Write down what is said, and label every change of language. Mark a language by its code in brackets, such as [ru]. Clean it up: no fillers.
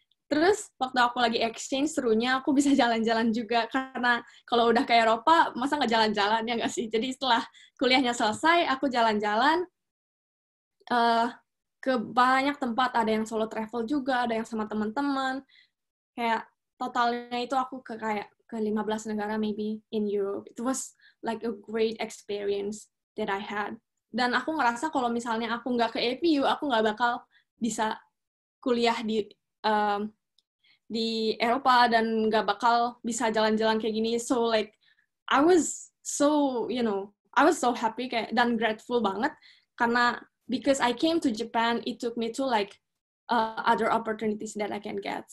[id] Terus waktu aku lagi exchange, serunya aku bisa jalan-jalan juga, karena kalau udah ke Eropa masa nggak jalan-jalan ya nggak sih. Jadi setelah kuliahnya selesai aku jalan-jalan ke banyak tempat, ada yang solo travel juga, ada yang sama teman-teman. Kayak totalnya itu aku ke 15 negara [en] maybe in Europe. It was like a great experience that I had. [id] Dan aku ngerasa kalau misalnya aku nggak ke APU, aku nggak bakal bisa kuliah di Eropa dan nggak bakal bisa jalan-jalan kayak gini. [en] So like I was so, you know, I was so happy [id] kayak dan [en] grateful [id] banget karena [en] because I came to Japan, it took me to like other opportunities that I can get.